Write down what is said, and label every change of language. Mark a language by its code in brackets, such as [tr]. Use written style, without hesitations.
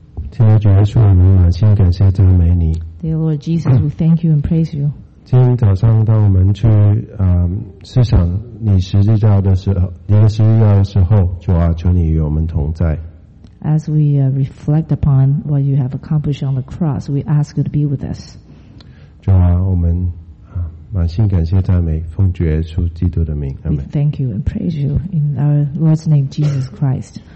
[zh] 亲爱的主耶稣，我们满心感谢赞美你。 [en] Dear Lord Jesus, we thank you and praise you. [zh] 今天早上当我们去思想你十字架的时候，你的十字架的时候，主啊，求你与我们同在。 [en] As we reflect upon what you have accomplished on the cross, we ask you to be with us. [zh] 主啊，我们满心感谢赞美，奉主耶稣基督的名， [en] Amen. We thank you and praise you in our Lord's name, Jesus Christ.